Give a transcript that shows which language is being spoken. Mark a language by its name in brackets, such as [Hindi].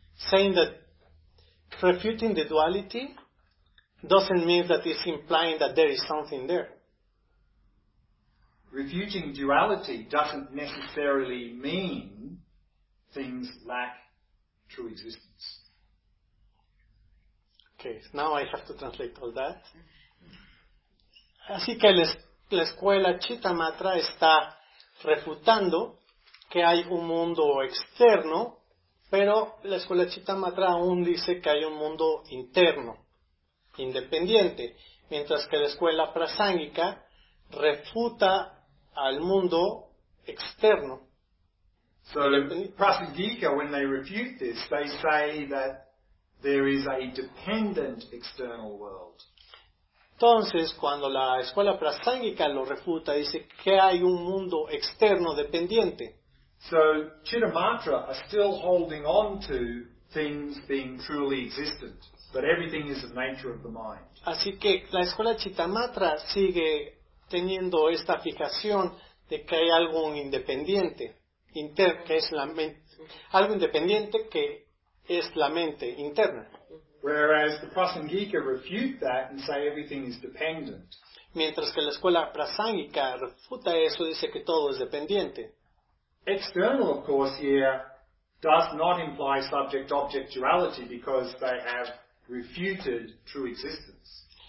[English] Saying that refuting the duality doesn't mean that it's implying that there is something there. Refuting duality doesn't necessarily mean things lack true existence. Okay, so now I have to translate all that. [Spanish] Así que la escuela Chitamatra está refutando que hay un mundo externo, pero la escuela Chitamatra aún dice que hay un mundo interno, independiente, mientras que la escuela Prasángika refuta al mundo externo. [English] So Prasangika, when they refute this, they say that there is a dependent external world. [Spanish] Entonces, cuando la escuela Prasangika lo refuta, dice que hay un mundo externo dependiente. [English] So Chittamatra are still holding on to things being truly existent, but everything is the nature of the mind. [Spanish] Así que la escuela Chittamatra sigue teniendo esta fijación de que hay algo independiente, que es la mente, algo independiente que es la mente interna. [English] Whereas the Prasangika refute that and say everything is dependent. [Spanish] Mientras que la escuela Prasangika refuta eso, dice que todo es dependiente. [English] External, of course, here does not imply subject-object duality because they have refuted true existence.